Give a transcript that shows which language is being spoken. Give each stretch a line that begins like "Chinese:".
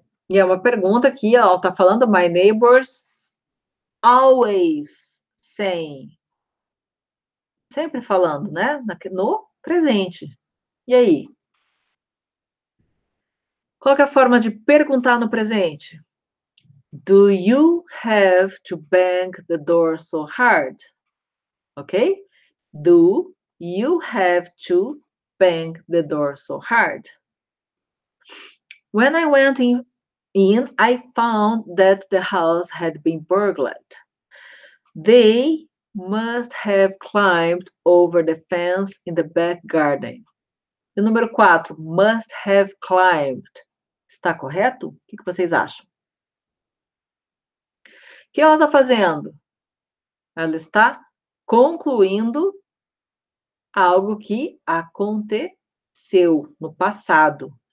Portuguese: E é uma pergunta que ela está falando,
English: my neighbors always saying.
Portuguese: Sempre falando, né? No presente. E aí? Qual que é a forma de perguntar no presente?
English: Do you have to bang the door so hard? Ok? Do you have to bang the door so hard? When I went in, I found that the house had been burgled. They must have climbed over the fence in the back garden.
Portuguese: E número 4,
English: must have climbed.
Portuguese: Está correto? O que vocês acham? O O que ela está fazendo? Ela está concluindo algo que aconteceu no passado.